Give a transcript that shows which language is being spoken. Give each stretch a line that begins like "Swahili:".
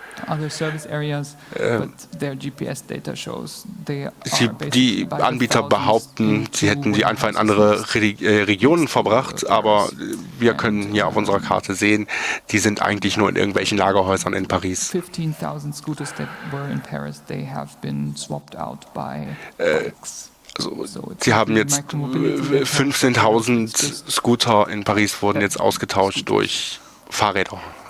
German: Die Anbieter behaupten, sie hätten die einfach in andere Regionen verbracht, aber wir können hier auf unserer Karte sehen, die sind eigentlich nur in irgendwelchen Lagerhäusern in Paris.
English: 15.000 Scooters,
German: die waren in Paris,
English: they have been swapped out by X.
German: Also, sie haben jetzt 15.000 Scooter in Paris wurden jetzt ausgetauscht durch Fahrräder.